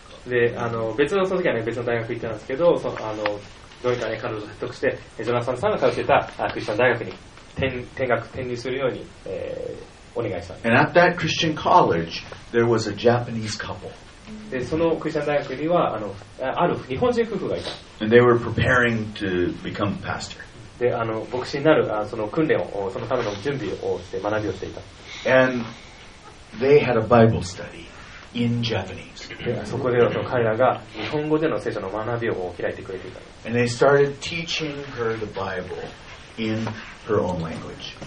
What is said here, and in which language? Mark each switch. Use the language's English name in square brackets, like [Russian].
[Japanese] で、別のその時はね、別の大学行ったんですけど、どういったね、彼女を説得して、ジョナサンさんが通ってたクリスチャン大学に転入するように、お願いした。 [English] And at that Christian college, there was a Japanese couple. [Japanese] で、そのクリスチャン大学には、ある日本人夫婦がいた。 [English] And they were preparing to become pastor. [Japanese] で、牧師になる、その訓練を、そのための準備をして、学びをしていた。 [English] AndThey had a Bible study in Japanese. [Japanese] そこでは彼らが日本語での聖書の学びを開いてくれていた。 [English] And they started teaching her the Bible in her own language.